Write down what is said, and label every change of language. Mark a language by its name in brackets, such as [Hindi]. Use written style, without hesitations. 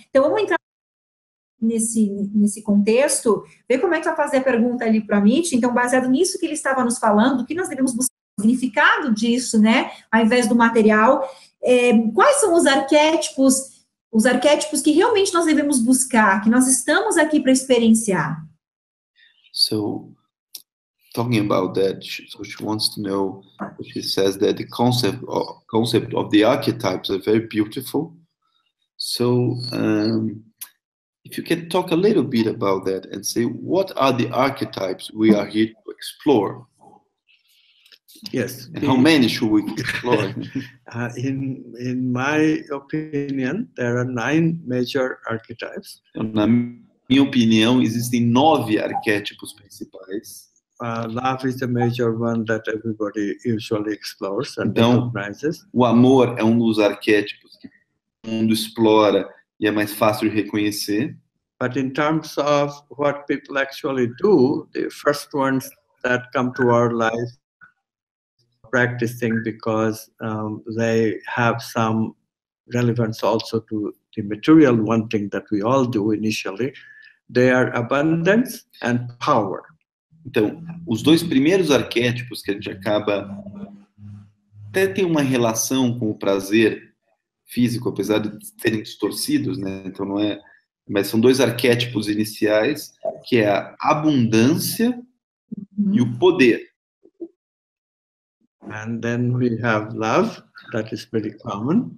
[Portuguese] Então, vamos entrar nesse contexto, ver como é que vai fazer a pergunta ali para a Mitch. Então, baseado nisso que ele estava nos falando, o que nós devemos buscar o significado disso, né? Ao invés do material, quais são os arquétipos. Os arquétipos que realmente nós devemos buscar, que nós estamos aqui para experienciar. [English] So, talking about that, she wants to know, she says that the concept of the archetypes are very beautiful. So, if you can talk a little bit about that and say, what are the archetypes we are here to explore? Yes. And how many should we explore? in my opinion, there are 9 major archetypes. [Portuguese] Na minha opinião, existem 9 arquétipos principais. [English] Love is the major one that everybody usually explores and recognizes. [Portuguese] O amor é um dos arquétipos que o mundo explora e é mais fácil de reconhecer. [English] But in terms of what people actually do, the first ones that come to our life practicing because they have some relevance also to the material wanting that we all do initially, they are abundance and power. [Portuguese] Então, os dois primeiros arquétipos que a gente acaba até tem uma relação com o prazer físico, apesar de serem distorcidos, né? Então não é, mas são dois arquétipos iniciais, que é a abundância e o poder. [English] And then we have love, that is very common.